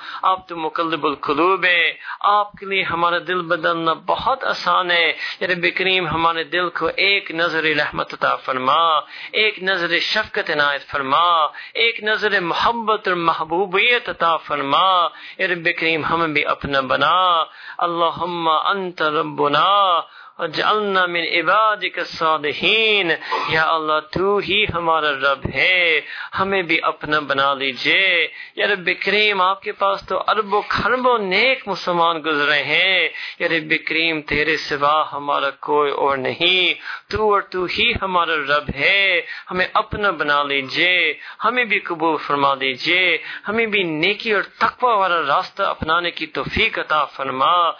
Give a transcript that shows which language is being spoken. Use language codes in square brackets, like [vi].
[ur] آپ تو مقلب القلوب ہیں، آپ کے لیے ہمارا دل بدلنا بہت آسان ہے. یا رب کریم، ہمارے دل کو ایک نظر رحمت عطا فرما، ایک نظر شفقت عنایت فرما، ایک نظر محبت اور محبوبیت عطا فرما. یا رب کریم، ہمیں بھی اپنا بنا. [ar] اللہم انت ربنا اجعلنا من عبادك الصالحين. [ur] یا اللہ، تو ہی ہمارا رب ہے، ہمیں بھی اپنا بنا لیجئے. یا رب کریم، آپ کے پاس تو اربوں کھربوں نیک مسلمان گزرے ہیں. یا رب کریم، تیرے سوا ہمارا کوئی اور نہیں، تو اور تو ہی ہمارا رب ہے، ہمیں اپنا بنا لیجئے، ہمیں بھی قبول فرما لیجئے، ہمیں بھی نیکی اور تقوی والا راستہ اپنانے کی توفیق عطا فرما.